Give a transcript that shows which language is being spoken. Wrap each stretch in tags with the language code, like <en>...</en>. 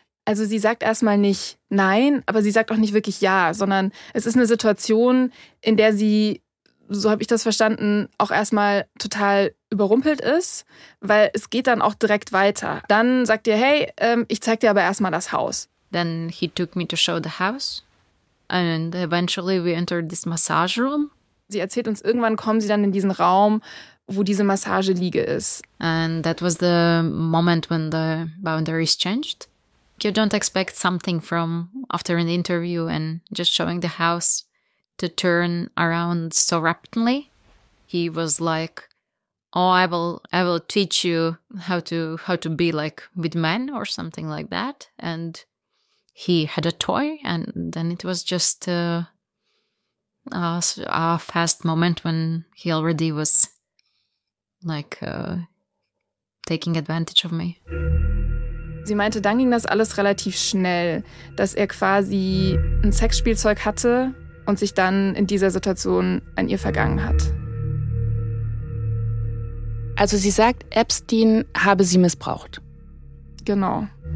<de>Also sie sagt erstmal nicht nein, aber sie sagt auch nicht wirklich ja, sondern es ist eine Situation, in der sie, so habe ich das verstanden, auch erstmal total überrumpelt ist, weil es geht dann auch direkt weiter. Dann sagt ihr, hey, ich zeig dir aber erstmal das Haus.</de> <en>Then he took me to show the house and eventually we entered this massage room.</en> <de>Sie erzählt uns, irgendwann kommen sie dann in diesen Raum, wo diese Massageliege ist.</de> <en>And that was the moment when the boundaries changed. you don't expect something from after an interview and just showing the house to turn around so rapidly. He was like, oh, I will teach you how to be like with men or something like that. And he had a toy, and then it was just a fast moment when he already was like taking advantage of me.</en> <de>Sie meinte, dann ging das alles relativ schnell, dass er quasi ein Sexspielzeug hatte und sich dann in dieser Situation an ihr vergangen hat. Also sie sagt, Epstein habe sie missbraucht. Genau.</de>